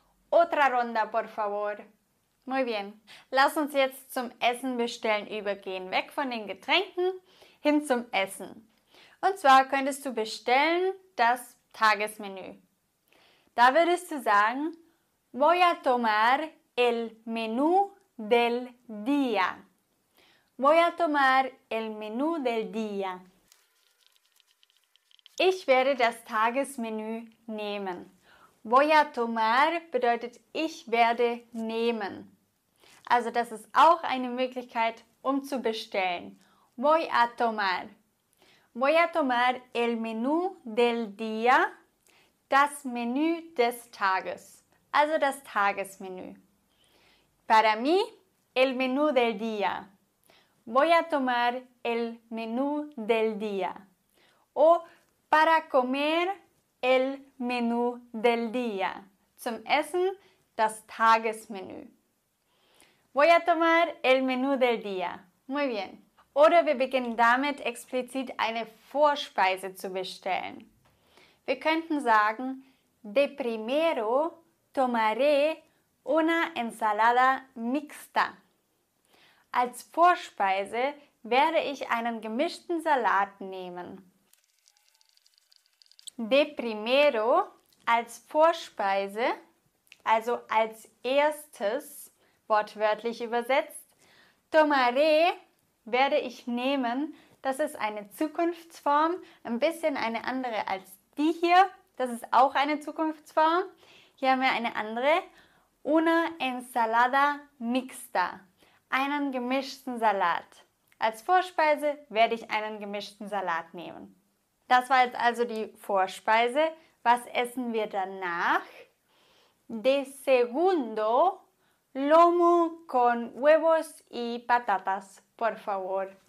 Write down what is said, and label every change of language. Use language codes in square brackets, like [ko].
[es] Otra ronda, por favor. Muy bien. [de] Lass uns jetzt zum Essen bestellen übergehen. Weg von den Getränken hin zum Essen. Und zwar könntest du bestellen das Tagesmenü. Da würdest du sagen, [es] voy a tomar el menú del día. Voy a tomar el menú del día. [de] Ich werde das Tagesmenü nehmen. [es] Voy a tomar [de] bedeutet, ich werde nehmen. Also das ist auch eine Möglichkeit, um zu bestellen. [es] Voy a tomar. Voy a tomar el menú del día. [de] Das Menü des Tages. Also das Tagesmenü. [es] Para mí, el menú del día. Voy a tomar el menú del día. O para comer el menú del día. [de] Zum Essen, das Tagesmenü. [es] Voy a tomar el menú del día. Muy bien. [de] Oder wir beginnen damit, explizit eine Vorspeise zu bestellen. Wir könnten sagen, [es] de primero tomaré una ensalada mixta. [de] Als Vorspeise werde ich einen gemischten Salat nehmen. [es] De primero, [de] als Vorspeise, also als erstes, wortwörtlich übersetzt, [es] tomaré, [de] werde ich nehmen, das ist eine Zukunftsform, ein bisschen eine andere als die hier, das ist auch eine Zukunftsform. Hier haben wir eine andere, [es] una ensalada mixta, [de] einen gemischten Salat. Als Vorspeise werde ich einen gemischten Salat nehmen. Das war jetzt also die Vorspeise. Was essen wir danach? [es] De segundo, lomo con huevos y patatas, por favor.